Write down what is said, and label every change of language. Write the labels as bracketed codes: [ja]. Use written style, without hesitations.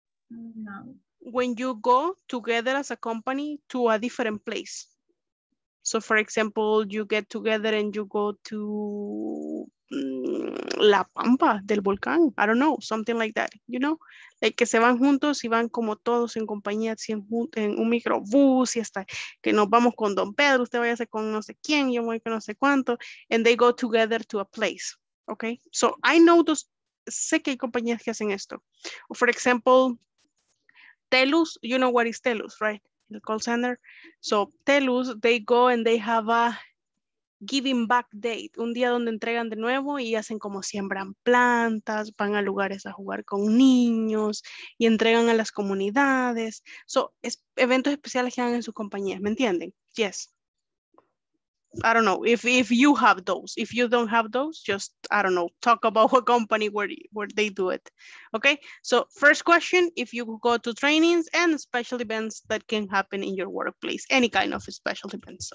[en] No. When you go together as a company to a different place. So for example, you get together and you go to La Pampa del Volcán. I don't know, something like that, you know? [es] Like que se van juntos y van como todos en compañía, en un microbús y hasta que nos vamos con Don Pedro, usted vaya a ser con no sé quién, yo voy con no sé cuánto. [en] And they go together to a place, okay? So I know those, sé que hay compañías que hacen esto. For example, Telus, you know what is Telus, right? The call center. So Telus, they go and they have a giving back date. [es] Un día donde entregan de nuevo y hacen como siembran plantas, van a lugares a jugar con niños y entregan a las comunidades. So eventos especiales que hagan en sus compañías, ¿me entienden? [en] Yes. I don't know. If you have those, if you don't have those, just, I don't know, talk about what company where they do it. Okay. So first question, if you go to trainings and special events that can happen in your workplace, any kind of special events.